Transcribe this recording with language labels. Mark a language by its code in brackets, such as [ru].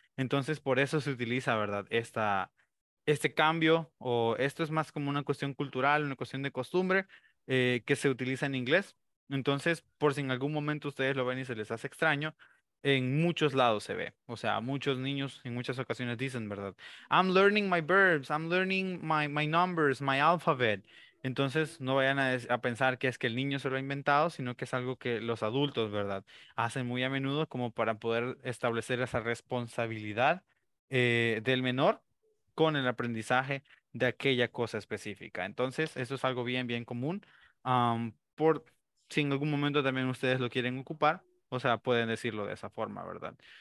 [es] Entonces por eso se utiliza, ¿verdad?, este cambio, o esto es más como una cuestión cultural, una cuestión de costumbre que se utiliza en inglés. Entonces, por si en algún momento ustedes lo ven y se les hace extraño, en muchos lados se ve. O sea, muchos niños en muchas ocasiones dicen, ¿verdad? [en] I'm learning my verbs, I'm learning my numbers, my alphabet. [es] Entonces, no vayan a pensar que es que el niño se lo ha inventado, sino que es algo que los adultos, ¿verdad?, hacen muy a menudo como para poder establecer esa responsabilidad del menor con el aprendizaje de aquella cosa específica. Entonces, eso es algo bien, bien común. Por si en algún momento también ustedes lo quieren ocupar, o sea, pueden decirlo de esa forma, ¿verdad?